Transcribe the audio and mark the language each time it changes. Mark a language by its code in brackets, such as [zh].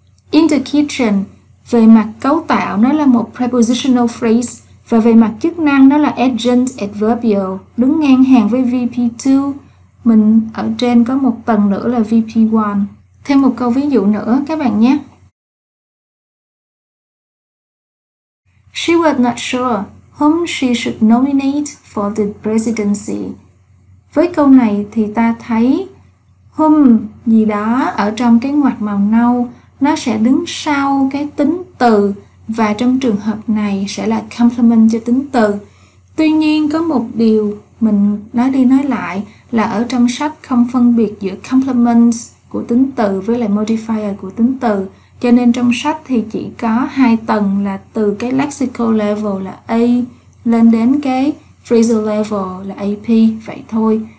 [en] In the kitchen, [vi] về mặt cấu tạo nó là một prepositional phrase và về mặt chức năng nó là agent adverbial, đứng ngang hàng với VP2. Mình ở trên có một tầng nữa là VP1. Thêm một câu ví dụ nữa các bạn nhé. [en] She was not sure whom she should nominate for the presidency. [vi] Với câu này thì ta thấy whom gì đó ở trong cái ngoặc màu nâu nó sẽ đứng sau cái tính từ, và trong trường hợp này sẽ là complement cho tính từ. Tuy nhiên có một điều mình nói đi nói lại là ở trong sách không phân biệt giữa complement của tính từ với lại modifier của tính từ, cho nên trong sách thì chỉ có hai tầng là từ cái lexical level là A lên đến cái phrasal level là AP vậy thôi.